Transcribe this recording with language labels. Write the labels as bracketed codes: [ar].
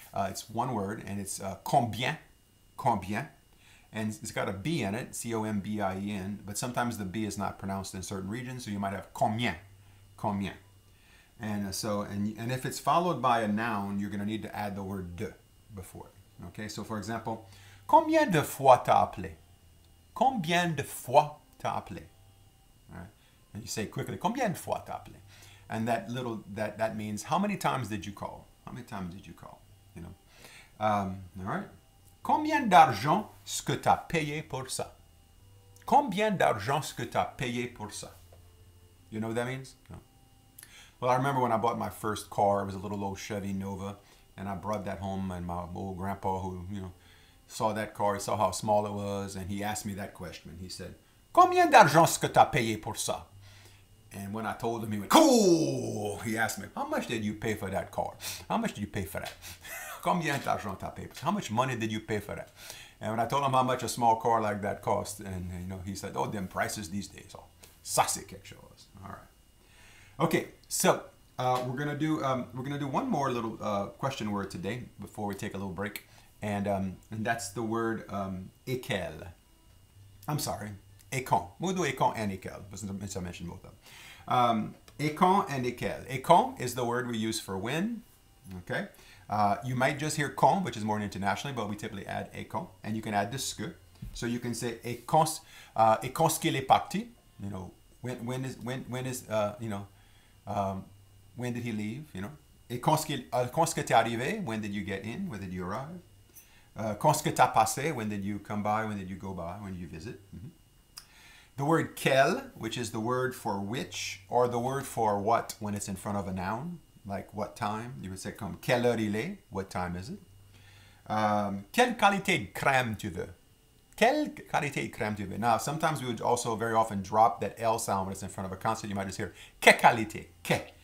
[en] It's one word, and it's combien, combien. And it's got a B in it, C-O-M-B-I-E-N, but sometimes the B is not pronounced in certain regions, so you might have combien, combien. And so, and if it's followed by a noun, you're going to need to add the word de before it. Okay, so for example, [fr] combien de fois t'as appelé? Combien de fois t'as appelé? [en] Right. And you say quickly, [fr] combien de fois t'as appelé? [en] And that little, that means, how many times did you call? How many times did you call? You know, all right. [fr] Combien d'argent ce que t'as payé pour ça? Combien d'argent ce que t'as payé pour ça? [en] You know what that means? No. Well, I remember when I bought my first car, it was a little old Chevy Nova, and I brought that home, and my old grandpa, who, you know, saw that car, saw how small it was, and he asked me that question. He said, [fr] combien d'argent ce que t'as payé pour ça? [en] And when I told him, he went, cool! He asked me, how much did you pay for that car? How much did you pay for that? [fr] Combien d'argent t'as payé? [en] How much money did you pay for that? And when I told him how much a small car like that cost, and you know, he said, oh, them prices these days. [fr] Oh, ça c'est quelque chose. [en] All right. Okay, so we're gonna do one more little question word today before we take a little break. And that's the word équel. I'm sorry, écon. We'll do écon and équel, since I mentioned both of them. Écon and équel. Écon is the word we use for when, okay? You might just hear con, which is more internationally, but we typically add écon, and you can add the ce, So you can say [fr] et quand est-ce qu'il est parti? [en] You know, when did he leave? You know, [fr] quand est-ce que t'es arrivé? [en] When did you get in? When did you arrive? [fr] Quand est-ce que t'as passé? [en] When did you come by? When did you go by? When did you visit? Mm-hmm. The word quel, which is the word for which, or the word for what when it's in front of a noun, like what time, you would say comme [fr] quelle heure il est, [en] what time is it? [fr] Quelle qualité de crème tu veux? Quelle qualité de crème tu veux? [en] Now, sometimes we would also very often drop that L sound when it's in front of a consonant. You might just hear, que qualité, que.